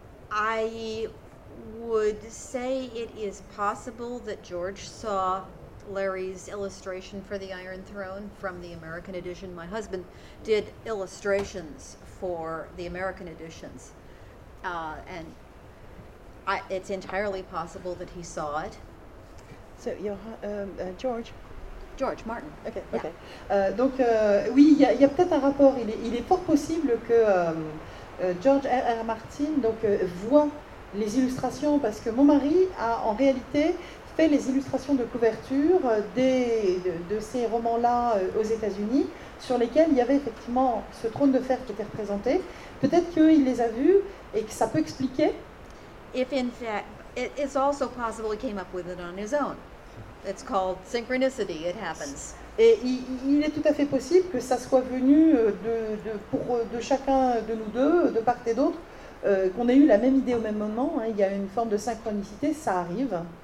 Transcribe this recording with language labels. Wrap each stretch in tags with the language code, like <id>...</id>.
<en>I would say it is possible that George saw Larry's illustration for the Iron Throne from the American edition. My husband did illustrations for the American editions, and It's entirely possible that he saw it. So you're George Martin. Okay. Yeah. Okay.</en> <fr>Donc oui, il y a peut-être un rapport. Il est fort possible que George R. R. Martin donc voit les illustrations parce que mon mari a en réalité fait les illustrations de couverture de ces romans-là aux États-Unis sur lesquels il y avait effectivement ce trône de fer qui était représenté. Peut-être qu'il les a vus et que ça peut expliquer.</fr> <en>If in fact, it's also possible he came up with it on his own. It's called synchronicity. It happens.</en> <fr>Et il est tout à fait possible que ça soit venu de chacun de nous deux, de part et d'autre, qu'on ait eu la même idée au même moment. Hein. Il y a une forme de synchronicité, ça arrive.</fr>